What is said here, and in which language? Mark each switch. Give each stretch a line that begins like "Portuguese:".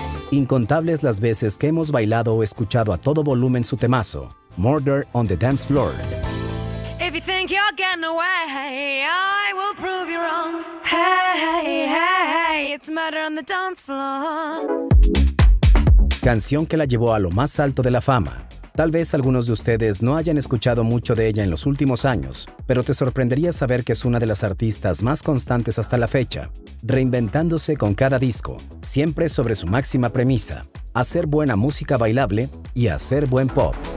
Spanish: Incontables las veces que hemos bailado o escuchado a todo volumen su temazo, Murder on the Dance Floor.
English: If you think you're getting away, I will prove you wrong. Hey, hey, hey, it's murder on the dance floor.
Spanish: Canción que la llevó a lo más alto de la fama. Tal vez algunos de ustedes no hayan escuchado mucho de ella en los últimos años, pero te sorprendería saber que es una de las artistas más constantes hasta la fecha, reinventándose con cada disco, siempre sobre su máxima premisa, hacer buena música bailable y hacer buen pop.